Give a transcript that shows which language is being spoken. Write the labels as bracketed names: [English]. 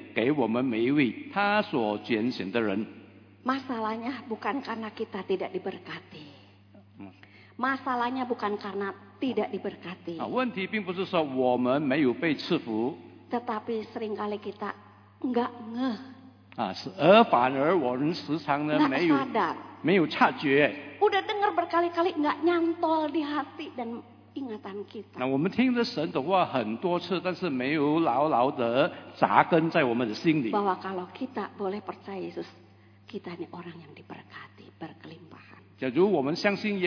[Chinese] 所以当我们还没有出生之前，他已经很丰盛的为我们每一个人准备了他足够丰盛的恩典给我们每一位他所拣选的人。 [Indonesian] Masalahnya bukan karena kita tidak diberkati. Masalahnya bukan karena tidak diberkati. [Chinese] 问题并不是说我们没有被赐福。 [Indonesian] Tetapi seringkali kita enggak ngeh. [Chinese] 而反而我们时常呢没有察觉。 [Indonesian] Udah dengar berkali-kali enggak nyantol di hati dan ingatan kita. [Chinese] 那我们听了神的话很多次，但是没有牢牢地扎根在我们的心里。 [Indonesian] Bahwa kalau kita boleh percaya Yesus, kita ini orang yang diberkati, berkelimpahan.